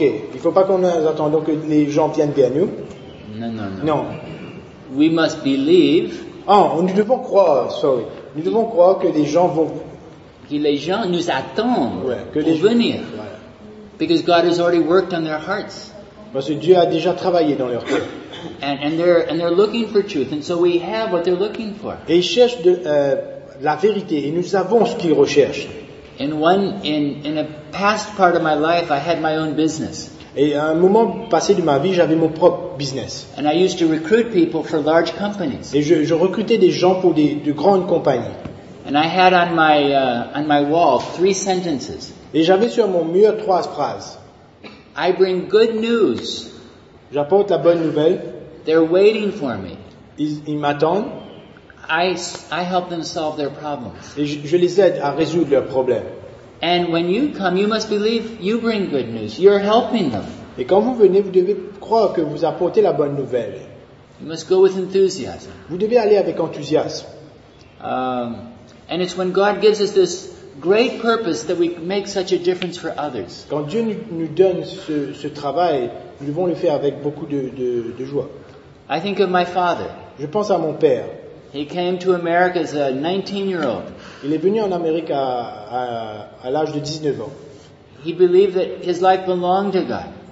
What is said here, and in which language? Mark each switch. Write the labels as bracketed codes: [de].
[fr] Il ne faut pas qu'on attende que les gens viennent vers nous. Non. [en] We must believe. [fr] Nous devons croire que les gens vont. Que les gens nous attendent, ouais, que pour les gens venir. Ouais. [en] Because God has already worked on their hearts. [fr] Parce que Dieu a déjà travaillé dans leur cœur. [en] And they're looking for truth, and so we have what they're looking for. [fr] Et ils cherchent la vérité, et nous avons ce qu'ils recherchent. [en] In a past part of my life, I had my own business. [fr] Et à un moment passé de ma vie, j'avais mon propre business. [en] And I used to recruit people for large companies. [fr] Et je recrutais des gens pour de grandes compagnies. [en] And I had on my wall 3 sentences. [fr] Et j'avais sur mon mur 3 phrases. [en] I bring good news. [fr] J'apporte la bonne nouvelle. [en] They're waiting for me. [fr] Ils m'attendent. [en] I help them solve their problems. [fr] Et je les aide à résoudre leurs problèmes. [en] And when you come, you must believe you bring good news. You're helping them. [fr] Et quand vous venez, vous devez croire que vous apportez la bonne nouvelle. [en] You must go with enthusiasm. [fr] Vous devez aller avec enthousiasme. [en] And it's when God gives us this great purpose that we make such a difference for others. [fr] Quand Dieu nous donne ce travail, nous devons le faire avec beaucoup de joie. [en] I think of my father. [fr] Je pense à mon père. [en] He came to America as a 19-year-old. [fr] Il est venu en Amérique à l'âge de 19 ans. [en] He believed that his life belonged to God.